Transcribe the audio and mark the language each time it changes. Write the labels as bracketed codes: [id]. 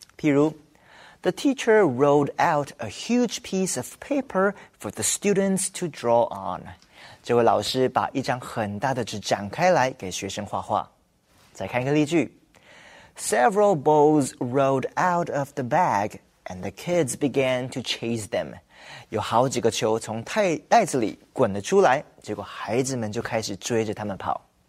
[zh] 譬如 [en] ,The teacher rolled out a huge piece of paper for the students to draw on. [zh] 这位老师把一张很大的纸展开来给学生画画。再看一个例句。 [en] Several balls rolled out of the bag, and the kids began to chase them. [zh] 有好几个球从袋子里滚了出来，结果孩子们就开始追着他们跑。